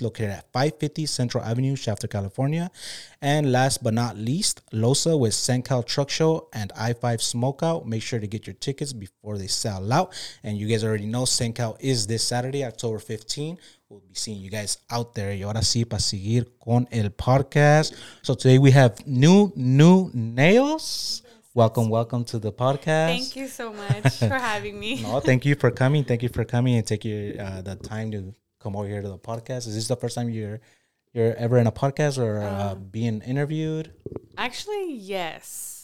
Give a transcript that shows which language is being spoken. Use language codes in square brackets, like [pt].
[en] Located at 550 Central Avenue, Shafter, California. And last but not least, Losa with SenCal Truck Show and I-5 Smokeout. Make sure to get your tickets before they sell out. And you guys already know SenCal is this Saturday, October 15. We'll be seeing you guys out there. [es] Y ahora sí, para seguir con el podcast. [en] So today we have NuuNuu Nailz. Welcome to the podcast. Thank you so much for having me. No, thank you for coming and taking the time to come over here to the podcast. Is this the first time you're ever in a podcast or being interviewed? Actually, yes.